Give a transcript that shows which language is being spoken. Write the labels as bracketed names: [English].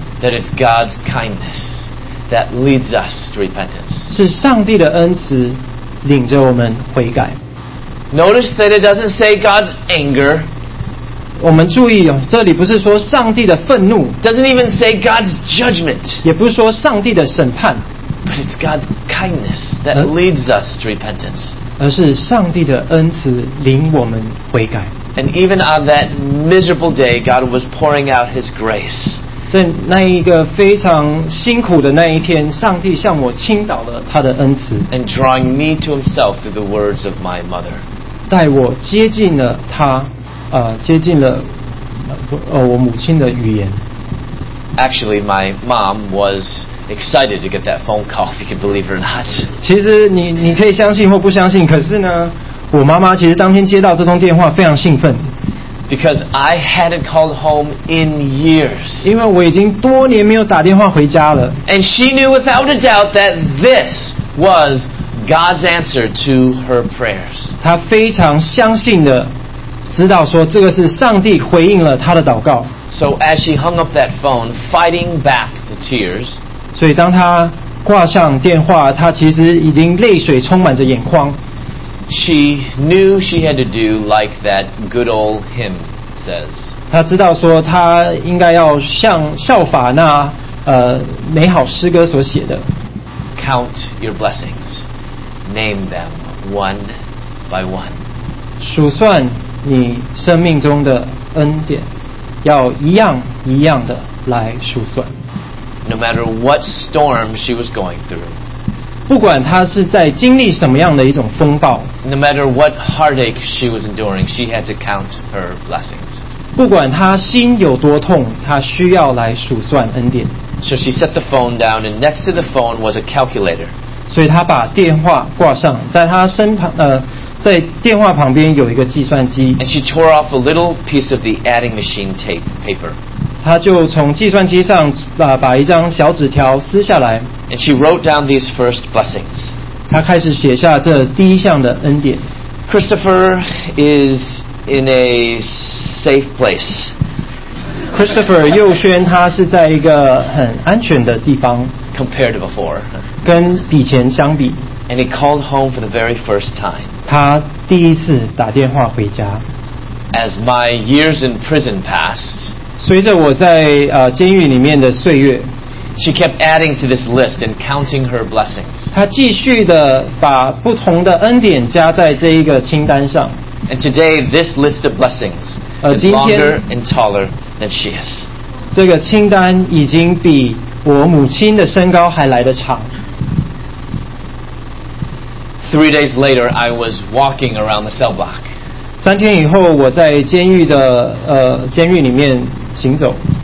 [English] That it's God's kindness that leads us to repentance， [Chinese] 是上帝的恩慈领着我们悔改。 [English] Notice that it doesn't say God's anger， [Chinese] 我们注意这里不是说上帝的愤怒， [English] Doesn't even say God's judgment， [Chinese] 也不是说上帝的审判。 [English] But it's God's kindness that leads us to repentance， [Chinese] 而是上帝的恩慈领我们悔改。 [English] And even on that miserable day God was pouring out His grace， [Chinese] 在那一个非常辛苦的那一天，上帝向我倾倒了他的恩慈。 [English] And drawing me to Himself through the words of my mother， [Chinese] 带我接近了他，接近了我母亲的语言。 [English] Actually my mom wasExcited to get that phone call, if you can believe it or not. [Chinese] 其实你可以相信或不相信，可是呢，我妈妈其实当天接到这通电话非常兴奋。 [English] Because I hadn't called home in years. [Chinese] 因为我已经多年没有打电话回家了。 [English] And she knew without a doubt that this was God's answer to her prayers. [Chinese] 她非常相信的知道说这个是上帝回应了她的祷告。 [English] So as she hung up that phone, fighting back the tears. [Chinese] 所以当他挂上电话，他其实已经泪水充满着眼眶。 [English] She knew she had to do like that good old hymn says. [Chinese] 他知道说他应该要像效法那美好诗歌所写的。 [English] Count your blessings, name them one by one. [Chinese] 数算你生命中的恩典，要一样一样的来数算。 [English] No matter what storm she was going through， [Chinese] 不管她是在经历什么样的一种风暴， [English] No matter what heartache she was enduring， she had to count her blessings， [Chinese] 不管她心有多痛，她需要来数算恩典。 [English] So she set the phone down and next to the phone was a calculator， [Chinese] 所以她把电话挂上，在她身旁在电话旁边有一个计算机。 [English] And she tore off a little piece of the adding machine tape paper， [Chinese] 他就从计算机上把一张小纸条撕下来。 [English] And she wrote down these first blessings. [Chinese] 他开始写下这第一项的恩典。 [English] Christopher is in a safe place. [Chinese] Christopher 又宣他是在一个很安全的地方。 [English] Compared to before. [Chinese] 跟以前相比。 [English] And he called home for the very first time. [Chinese] 他第一次打电话回家。 [English] As my years in prison passed, [Chinese] 随着我在监狱里面的岁月， [English] She kept adding to this list and counting her blessings. [Chinese] 她继续的把不同的恩典加在这一个清单上。 [English] And today this list of blessings is longer and taller than she is. [Chinese] 这个清单已经比我母亲的身高还来得长。 [English] 3 days later, I was walking around the cell block. [Chinese] 三天以后，我在监狱的监狱里面行走。